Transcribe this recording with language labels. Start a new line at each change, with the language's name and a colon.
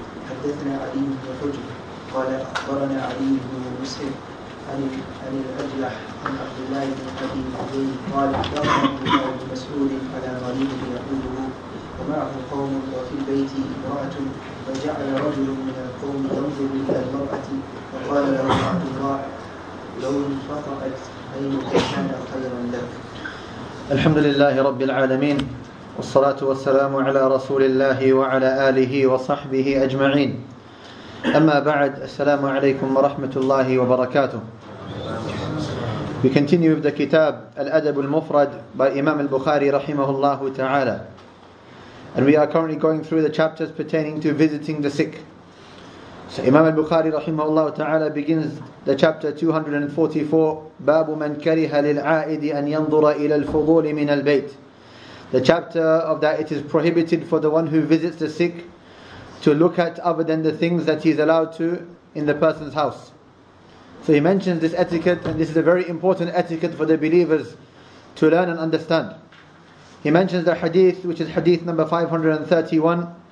Arabic: حدثنا علي بن حجر قال أخبرنا علي بن مسهر عن الأجلح عن عبد الله بن أبي عدي قال أخبرنا عبد الله مسؤول على غريب يقوله ومعه قوم وفي البيت امرأة فجعل رجل من القوم ينظر إلى المرأة فقال له عبد الله لو انفطرت عينك كان خيرا لك. الحمد لله رب العالمين والصلاة والسلام على رسول الله وعلى آله وصحبه أجمعين. أما بعد، السلام عليكم ورحمة الله وبركاته.
English: We continue with the kitab الأدب المفرد by Imam al-Bukhari
Arabic: رحمه الله تعالى.
English: And we are currently going through the chapters pertaining to visiting the sick. So Imam al-Bukhari
Arabic: رحمه الله تعالى
English: begins the chapter 244
Arabic: باب من كره للعائد أن ينظر إلى الفضول من البيت.
English: The chapter of that it is prohibited for the one who visits the sick to look at other than the things that he is allowed to in the person's house. So he mentions this etiquette, and this is a very important etiquette for the believers to learn and understand. He mentions the hadith, which is hadith number 531.